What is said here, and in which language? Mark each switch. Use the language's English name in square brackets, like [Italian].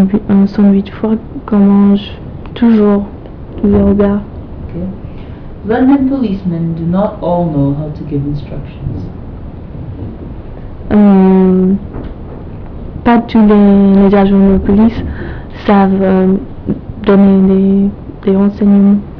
[French] Un sandwich froid qu'on mange toujours au gare. Okay. [English] London policemen do not all know how to give instructions. [French] Pas tous les agents de police savent donner des renseignements.